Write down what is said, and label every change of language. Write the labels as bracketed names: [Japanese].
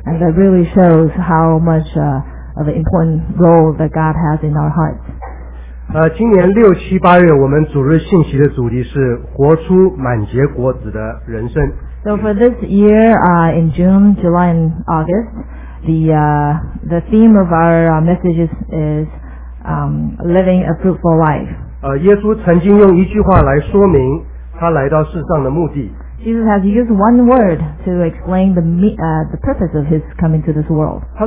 [English] And that really shows how much of an important role that God has in our hearts. [Chinese] 今年六七八月，我们主日信息的主题是活出满结果子的人生。 [English] So for this year, in June, July, and August, the theme of our messages is living a fruitful life. [Chinese] 耶稣曾经用一句话来说明他来到世上的目的。 [English] Jesus has used one word to explain the purpose of his coming to this world.